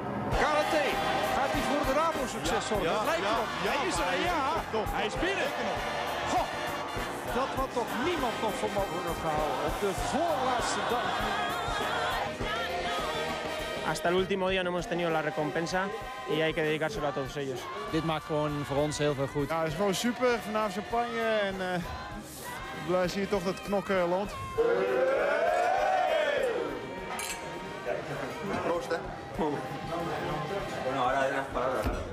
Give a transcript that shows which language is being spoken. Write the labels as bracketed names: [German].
[Dutch] Karate, gaat hij voor de Rabo-succes zorgen? Ja, dat lijkt erop. Ja, hij is er, ja. Hij is binnen. Dat had toch niemand nog voor mogen gehouden op de voorlaatste dag. [Spanish] Hasta el último día no hemos tenido la recompensa y hay que dedicárselo a todos ellos. [Dutch] Dit maakt gewoon voor ons heel veel goed. Ja, het is gewoon super. Vanavond champagne en blij zie je toch dat knokken loont. Proost, hè? [Spanish] Bueno, ahora unas palabras.